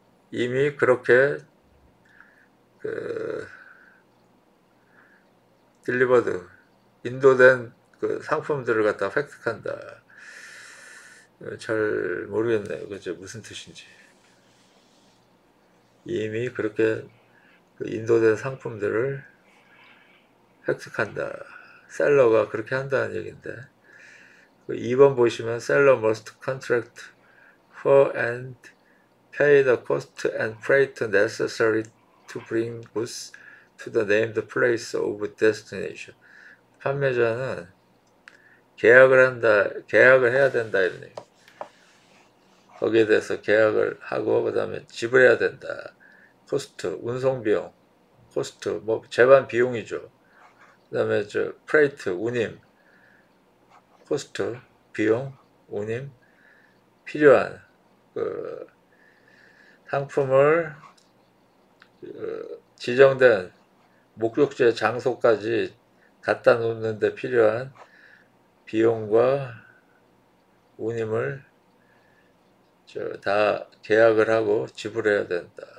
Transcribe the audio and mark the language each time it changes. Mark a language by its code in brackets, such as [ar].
[ko] 이미 그렇게 딜리버드 인도된 그 상품들을 갖다 획득한다. 잘 모르겠네요. 그죠? 무슨 뜻인지. 이미 그렇게 그 인도된 상품들을 획득한다. 셀러가 그렇게 한다는 얘기인데. 그 2번 보시면 셀러 [en] must contract for and pay the cost and freight necessary to bring goods to the named place of destination. [ko] 판매자는 계약을 해야 된다 이러네요. 거기에 대해서 계약을 하고 그다음에 지불해야 된다. 코스트, 운송비용, 코스트, 뭐 제반 비용이죠. 그다음에 저 프레이트, 운임, 코스트, 비용, 운임, 필요한 그 상품을 지정된 목적지의 장소까지 갖다 놓는데 필요한 비용과 운임을 다 계약을 하고 지불해야 된다.